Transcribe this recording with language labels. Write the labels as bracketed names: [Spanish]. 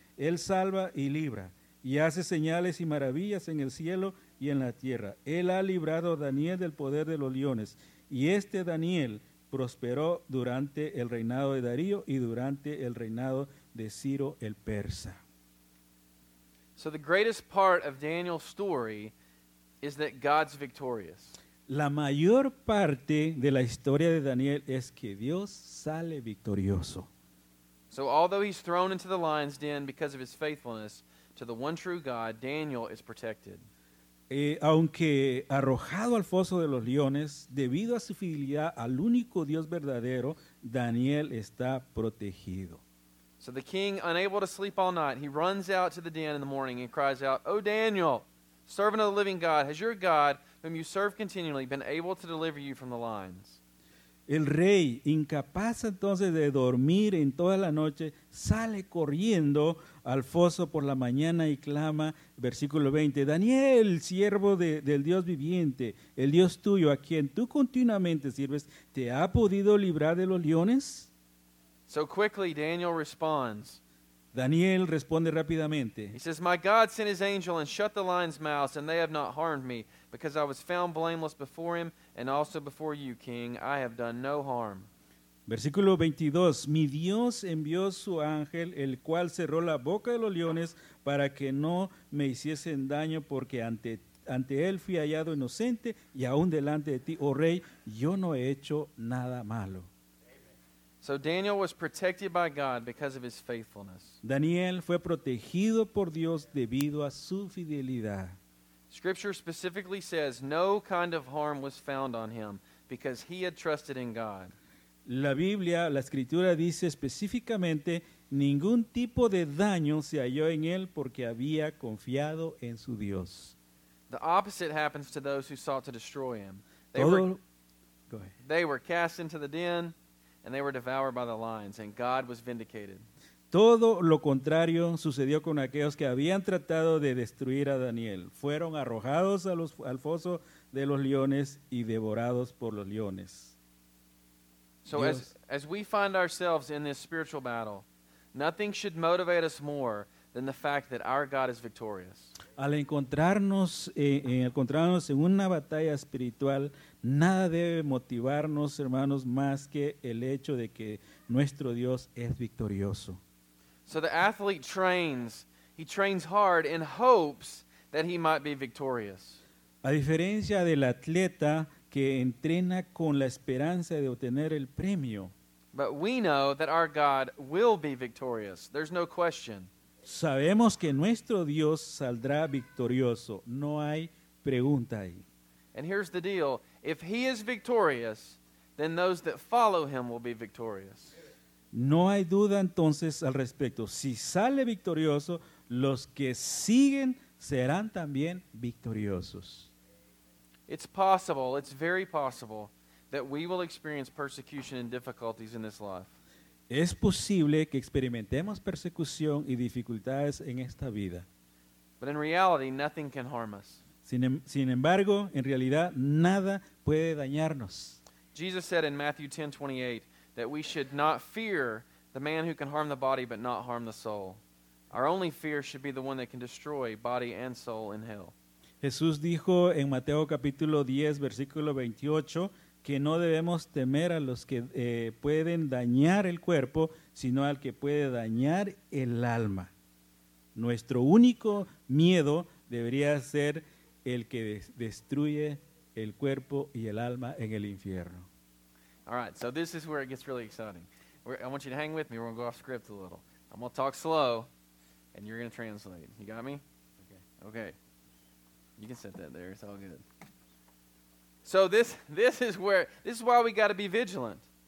[Spanish] Él salva y libra, y hace señales y maravillas en el cielo y en la tierra. Él ha librado a Daniel del poder de los leones, y este Daniel prosperó durante el reinado de Darío y durante el reinado de Ciro el Persa. [English] So the greatest part of Daniel's story is that God's victorious. [Spanish] La mayor parte de la historia de Daniel es que Dios sale victorioso. [English] So although he's thrown into the lion's den because of his faithfulness to the one true God, Daniel is protected. [Spanish] Aunque arrojado al foso de los leones, debido a su fidelidad al único Dios verdadero, Daniel está protegido. [English] So the king, unable to sleep all night, he runs out to the den in the morning and cries out, "O Daniel, servant of the living God, has your God, whom you serve continually, been able to deliver you from the lions?" [Spanish] El rey, incapaz entonces de dormir en toda la noche, sale corriendo al foso por la mañana y clama, versículo 20, "Daniel, siervo del Dios viviente, el Dios tuyo, a quien tú continuamente sirves, ¿te ha podido librar de los leones?" [English] So quickly Daniel responds. [Spanish] Daniel responde rápidamente. [English] He says, "My God sent his angel and shut the lions' mouths, and they have not harmed me, because I was found blameless before him and also before you, king. I have done no harm." [Spanish] Versículo 22. "Mi Dios envió su ángel, el cual cerró la boca de los leones para que no me hiciesen daño, porque ante él fui hallado inocente, y aún delante de ti, oh rey, yo no he hecho nada malo." [English] So Daniel was protected by God because of his faithfulness. [Spanish] Daniel fue protegido por Dios debido a su fidelidad. [English] Scripture specifically says no kind of harm was found on him because he had trusted in God. [Spanish] La Biblia, la Escritura dice específicamente, ningún tipo de daño se halló en él porque había confiado en su Dios. [English] The opposite happens to those who sought to destroy him. They were cast into the den, and they were devoured by the lions, and God was vindicated. [Spanish] Todo lo contrario sucedió con aquellos que habían tratado de destruir a Daniel. Fueron arrojados al foso de los leones y devorados por los leones. [English] So as we find ourselves in this spiritual battle, nothing should motivate us more than the fact that our God is victorious. [Spanish] Al encontrarnos en una batalla espiritual, nada debe motivarnos, hermanos, más que el hecho de que nuestro Dios es victorioso. [English] So the athlete trains. He trains hard in hopes that he might be victorious. [Spanish] A diferencia del atleta que entrena con la esperanza de obtener el premio. [English] But we know that our God will be victorious. There's no question. [Spanish] Sabemos que nuestro Dios saldrá victorioso. No hay pregunta ahí. [English] And here's the deal. If he is victorious, then those that follow him will be victorious. [Spanish] No hay duda entonces al respecto. Si sale victorioso, los que siguen serán también victoriosos. [English] It's possible, it's very possible, that we will experience persecution and difficulties in this life. [Spanish] Es posible que experimentemos persecución y dificultades en esta vida. [English] But in reality, nothing can harm us. [Spanish] Sin embargo, en realidad, nada puede dañarnos. [English] Jesus said in Matthew 10:28 that we should not fear the man who can harm the body but not harm the soul. Our only fear should be the one that can destroy body and soul in hell. [Spanish] Jesús dijo en Mateo capítulo 10, versículo 28, que no debemos temer a los que pueden dañar el cuerpo, sino al que puede dañar el alma. Nuestro único miedo debería ser el que destruye el cuerpo y el alma en el infierno. [English] All right, so this is where it gets really exciting. I want you to hang with me. We're going to go off script a little. I'm going to talk slow, and you're going to translate. You got me? Okay. Okay. You can set that there. It's all good. So this is why we got to be vigilant.